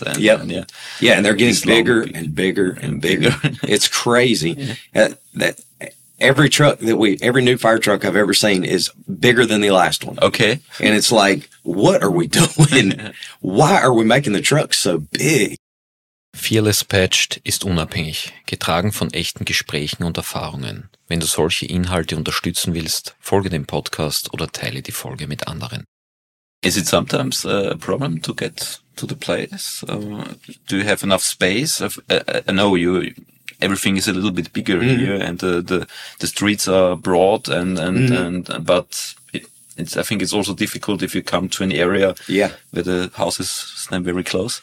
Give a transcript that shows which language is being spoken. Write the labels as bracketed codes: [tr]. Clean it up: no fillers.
[en] And they're getting bigger and bigger. It's crazy. Yeah. That every truck that every new fire truck I've ever seen is bigger than the last one. Okay. And it's like, what are we doing? Why are we making the truck so big? [de] Fearless Patched ist unabhängig, getragen von echten Gesprächen und Erfahrungen. Wenn du solche Inhalte unterstützen willst, folge dem Podcast oder teile die Folge mit anderen. [en] Is it sometimes a problem to get to the place? Do you have enough space? I know everything is a little bit bigger here, and the streets are broad I think it's also difficult if you come to an area where the houses stand very close.